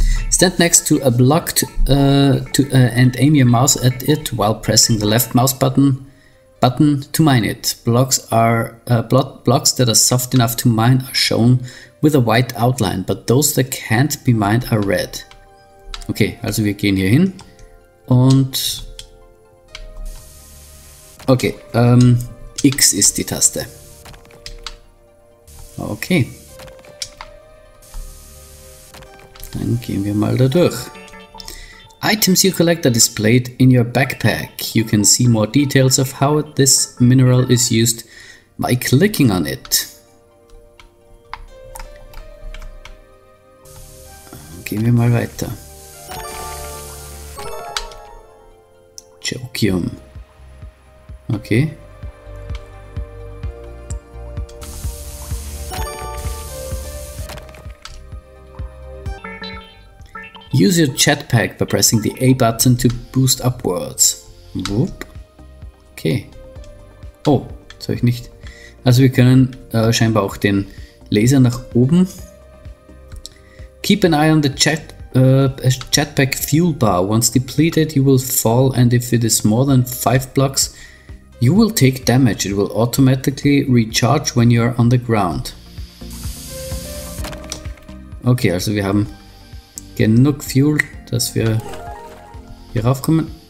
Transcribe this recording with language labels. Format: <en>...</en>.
<en>Stand next to a block and aim your mouse at it while pressing the left mouse button to mine it. Blocks are blocks that are soft enough to mine are shown with a white outline, but those that can't be mined are red.</en> <de>Okay, also wir gehen hier hin und okay, X ist die Taste. Okay. Dann gehen wir mal da durch.</de> <en>Items you collect are displayed in your backpack. You can see more details of how this mineral is used by clicking on it.</en> <de>Gehen wir mal weiter. Jokium. Okay.</de> <en>Use your chatpack by pressing the A button to boost upwards.</en> <de>Whoop. Okay. Oh, das habe ich nicht. Also wir können scheinbar auch den Laser nach oben.</de> <en>Keep an eye on the chatpack fuel bar. Once depleted, you will fall and if it is more than 5 blocks, you will take damage. It will automatically recharge when you are on the ground.</en> <de>Okay, also wir haben genug Fuel, dass wir hier raufkommen.</de>